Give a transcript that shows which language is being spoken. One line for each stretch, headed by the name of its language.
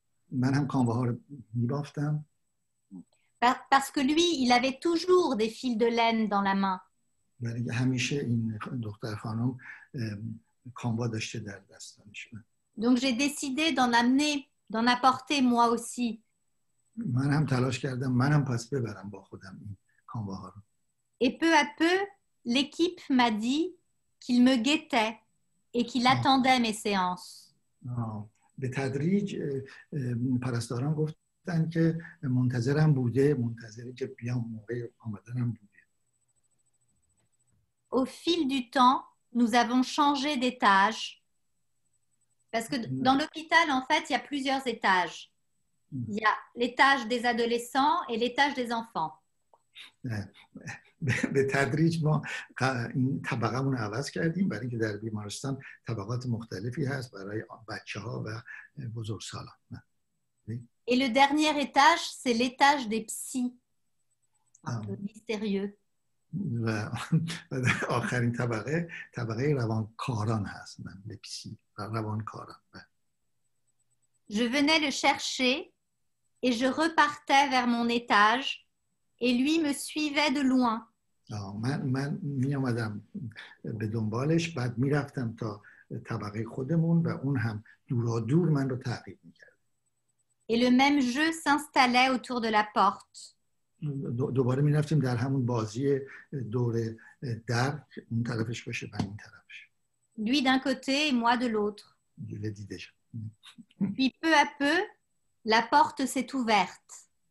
Persian: من هم کانواها رو میبافتم.
French: Parce que lui, il avait toujours des fils de laine dans la main.
Persian: برای همیشه این دختر خانم کانوا داشته در دستش.
French: Donc j'ai décidé d'en amener d'en apporter moi aussi.
Persian: منم تلاش کردم منم پس ببرم با خودم این کانواها رو.
French: Et peu à peu, l'équipe m'a dit qu'il me guettait et qu'il attendait mes séances.
Persian: به تدریج پرستاران گفتن که منتظرم بوده، منتظری که بیام موقع آمدنم بوده.
French: Au fil du temps, nous avons changé d'étage. Parce que dans l'hôpital, en fait, il y a plusieurs étages. Il y a l'étage des adolescents et l'étage des enfants.
Persian: به تدریج ما این طبقه مون عوض کردیم برای اینکه در بیمارستان طبقات مختلفی هست برای بچه ها و بزرگ سال ها.
French: Et le dernier étage, c'est l'étage des psy. Un peu mystérieux.
Persian: و آخرین طبقه طبقه روانکاران هست.
French: Les psy,
Persian: روانکاران.
French: Je venais le chercher et je repartais vers mon étage et lui me suivait de loin.
Persian: من می آمدم به دنبالش بعد می رفتم تا طبقه خودمون و اون هم دورا دور من رو تعقیب می کرد.
French: Et le même jeu s'installait autour de la porte.
Persian: دوباره می رفتیم در همون بازی دور در اون طرفش باشه من این طرفش.
French: Lui d'un côté et moi de l'autre. Je l'ai dit déjà. Puis peu à peu, la porte s'est ouverte.